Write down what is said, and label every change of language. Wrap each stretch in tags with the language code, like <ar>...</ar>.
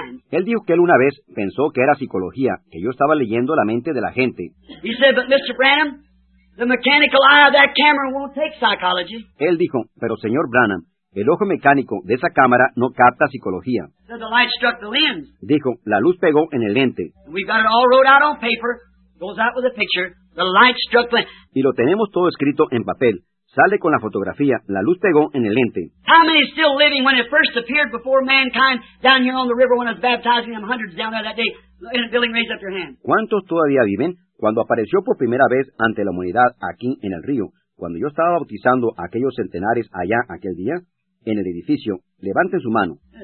<es>Él dijo que él una vez pensó que era psicología, que yo estaba leyendo la mente de la gente.</es> <en>He said, but Mr. Branham, the mechanical eye of that camera won't take psychology.</en> <es>Él dijo, pero señor Branham, el ojo mecánico de esa cámara no capta psicología.</es> <en>So the light struck the lens.</en> <es>Dijo, la luz pegó en el lente.</es> <en>We've got it all wrote out on paper. Goes out with a picture. The light struck the lens.</en> <es>Y lo tenemos todo escrito en papel. Sale con la fotografía. La luz pegó en el lente.</es> <en>How many is still living when it first appeared before mankind down here on the river when I was baptizing them hundreds down there that day? And Billy, raise up your hand.</en> <es>¿Cuántos todavía viven? Cuando apareció por primera vez ante la humanidad aquí en el río, cuando yo estaba bautizando a aquellos centenares allá aquel día, en el edificio, levanten su mano.</es>